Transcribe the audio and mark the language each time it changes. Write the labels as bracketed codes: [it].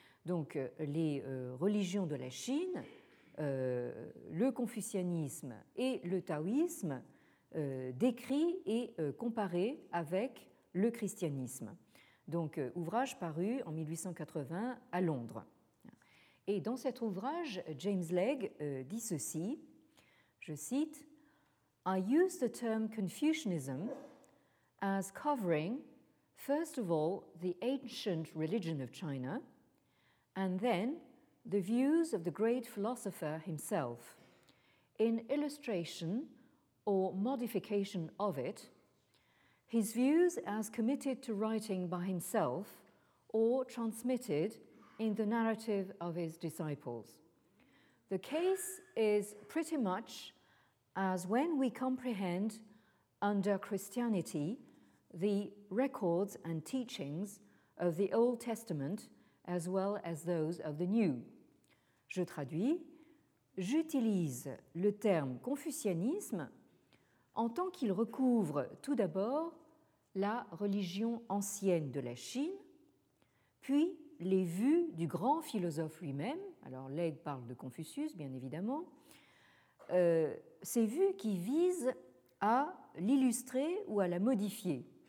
[fr] Donc, les religions de la Chine, le confucianisme et le taoïsme décrits et comparés avec le christianisme. Donc, ouvrage paru en 1880 à Londres. Et dans cet ouvrage, James Legge dit ceci, je cite, [en] « I use the term Confucianism as covering, first of all, the ancient religion of China, and then the views of the great philosopher himself, in illustration or modification of it, his views as committed to writing by himself or transmitted in the narrative of his disciples. The case is pretty much as when we comprehend under Christianity the records and teachings of the Old Testament as well as those of the New. [fr] Je traduis, j'utilise le terme confucianisme en tant qu'il recouvre tout d'abord la religion ancienne de la Chine, puis les vues du grand philosophe lui-même, alors Legge parle de Confucius, bien évidemment, ces vues qui visent à l'illustrer ou à la modifier.